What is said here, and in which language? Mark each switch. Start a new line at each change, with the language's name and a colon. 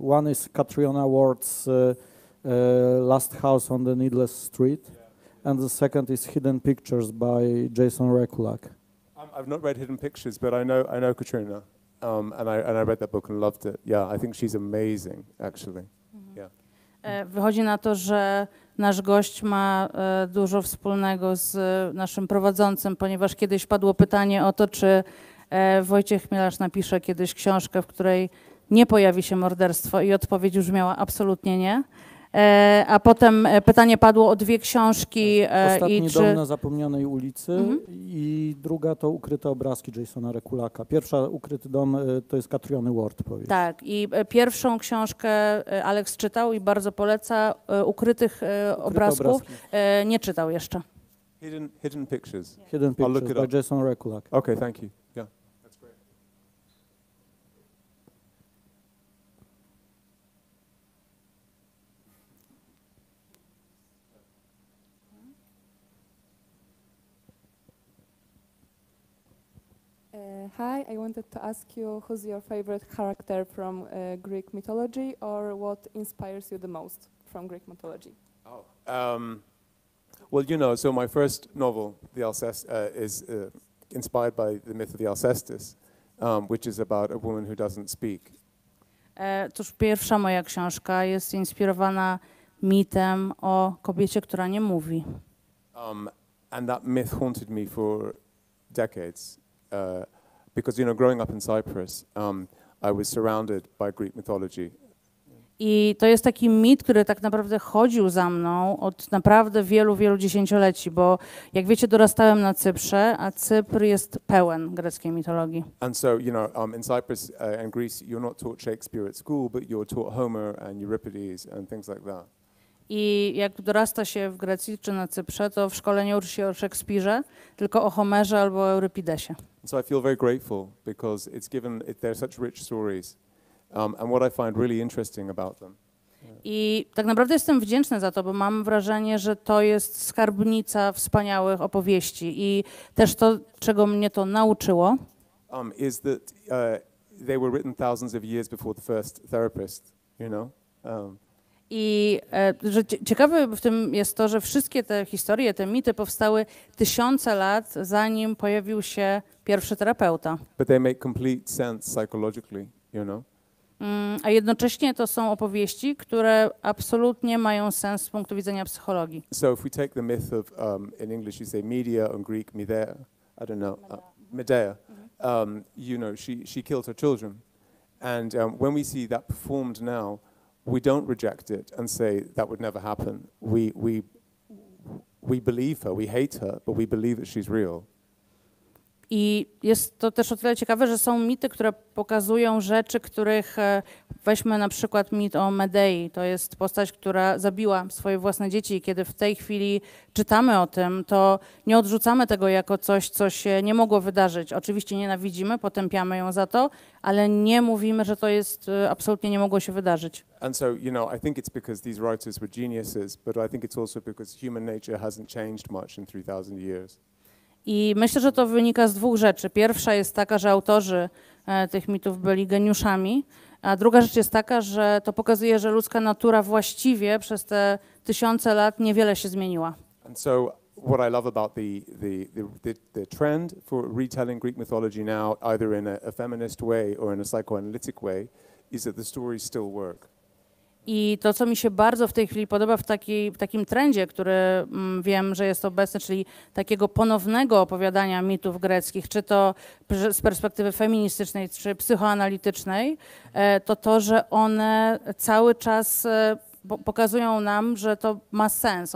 English: One is Catriona Ward's Last House on the Needless Street. And the second is Hidden Pictures by Jason Rekulak. I've not read Hidden Pictures, but I know Catriona, and I read that book and loved it. Yeah, I think she's amazing, actually. Mm-hmm. Yeah.
Polish: Wychodzi na to, że nasz gość ma dużo wspólnego z naszym prowadzącym, ponieważ kiedyś padło pytanie o to, czy Wojciech Mielarz napisze kiedyś książkę, w której nie pojawi się morderstwo, i odpowiedź już miała absolutnie nie. A potem pytanie padło o dwie książki. Ostatni i czy... dom na zapomnianej ulicy, i druga to Ukryte obrazki Jasona Rekulaka. Pierwsza, Ukryty dom, to jest Catriona Ward, powiedz. Tak, i pierwszą książkę Aleks czytał i bardzo poleca, Ukrytych obrazków nie czytał jeszcze.
English: Hidden Pictures. Hidden Pictures by Jason Rekulak. Okay, thank you. Yeah. That's great. Hi, I wanted to ask you who's your favorite character from Greek mythology, or what inspires you the most from Greek mythology? Oh, well, you know, so my first novel, The Alcestis, is inspired by the myth of the Alcestis, which is about a woman who doesn't speak.
Polish: Cóż, pierwsza moja książka jest inspirowana mitem o kobiecie, która nie mówi.
English: And that myth haunted me for decades. Because, you know, growing up in Cyprus, I was surrounded by Greek mythology.
Polish: I to jest taki mit, który tak naprawdę chodził za mną od naprawdę wielu, wielu dziesięcioleci, bo jak wiecie, dorastałem na Cyprze, a Cypr jest pełen greckiej mitologii.
English: And so, you know, in Cyprus and Greece, you're not taught Shakespeare at school, but you're taught Homer and Euripides and things like that.
Polish: I jak dorasta się w Grecji czy na Cyprze, to w szkole nie uczy się o Szekspirze, tylko o Homerze albo o Eurypidesie.
English: So I feel very grateful because it's given it, they're such rich stories. And what I find really interesting about them.
Polish: I tak naprawdę jestem wdzięczny za to, bo mam wrażenie, że to jest skarbnica wspaniałych opowieści i też to, czego mnie to nauczyło.
English: Is that they were written thousands of years before the first therapist, you know?
Polish: I że ciekawe w tym jest to, że wszystkie te historie, te mity powstały tysiące lat, zanim pojawił się pierwszy terapeuta.
English: But they make complete sense psychologically, you know?
Polish: A jednocześnie to są opowieści, które absolutnie mają sens z punktu widzenia psychologii.
English: So if we take the myth of, in English you say Medea, in Greek Medea, I don't know, Medea, you know, she killed her children. And when we see that performed now, we don't reject it and say that would never happen. We believe her, we hate her, but we believe that she's real.
Polish: I jest to też o tyle ciekawe, że są mity, które pokazują rzeczy, których, weźmy na przykład mit o Medei, to jest postać, która zabiła swoje własne dzieci. I kiedy w tej chwili czytamy o tym, to nie odrzucamy tego jako coś, co się nie mogło wydarzyć. Oczywiście nienawidzimy, potępiamy ją za to, ale nie mówimy, że to jest absolutnie nie mogło się wydarzyć.
English: And so, you know, I think it's because these writers were geniuses, but I think it's also because human nature hasn't changed much in 3000 years.
Polish: I myślę, że to wynika z dwóch rzeczy. Pierwsza jest taka, że autorzy tych mitów byli geniuszami, a druga rzecz jest taka, że to pokazuje, że ludzka natura właściwie przez te tysiące lat niewiele się zmieniła.
English: And so what I love about the trend for retelling Greek mythology now, either in a feminist way or in a psychoanalytic way, is that the stories still work.
Polish: I to, co mi się bardzo w tej chwili podoba w takim trendzie, który wiem, że jest obecny, czyli takiego ponownego opowiadania mitów greckich, czy to z perspektywy feministycznej, czy psychoanalitycznej, to to, że one cały czas pokazują nam, że to ma sens.